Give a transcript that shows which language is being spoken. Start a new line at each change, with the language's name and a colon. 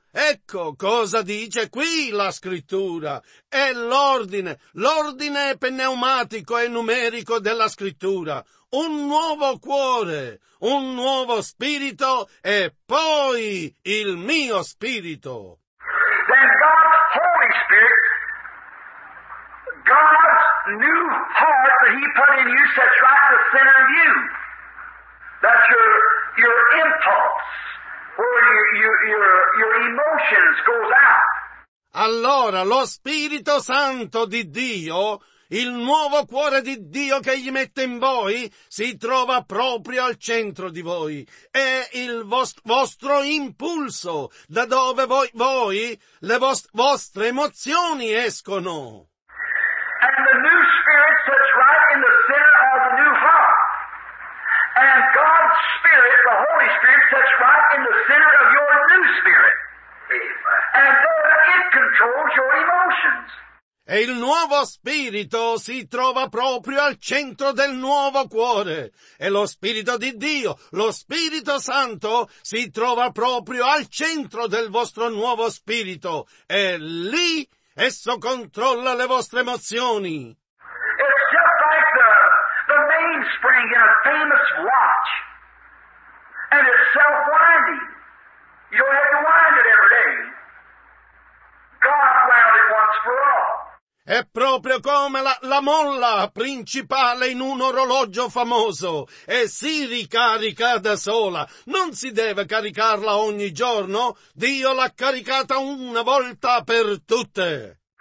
Italian: Ecco cosa dice qui la scrittura. È l'ordine pneumatico e numerico della scrittura. Un nuovo cuore, un nuovo spirito, e poi il mio spirito.
English: Then God's Holy Spirit, God's new heart that he put in you sets right the center of you. That's your impulse, where your emotions goes out.
Italian: Allora lo Spirito Santo di Dio, il nuovo cuore di Dio che gli mette in voi, si trova proprio al centro di voi. È il vostro impulso, da dove voi le vostre emozioni escono.
English: And the new spirit sits right in the center of the new heart. And God's spirit, the Holy Spirit, sits right in the center of your new spirit. And then it controls your emotions.
Italian: E il nuovo spirito si trova proprio al centro del nuovo cuore. E lo spirito di Dio, lo Spirito Santo, si trova proprio al centro del vostro nuovo spirito. E lì esso controlla le vostre emozioni.
English: It's just like the mainspring in a famous watch. And it's self-winding. You don't have to wind it every day. God wound it once for all.
Italian: È proprio come la molla principale in un orologio famoso, e si ricarica da sola. Non si deve caricarla ogni giorno, Dio l'ha caricata una volta per tutte.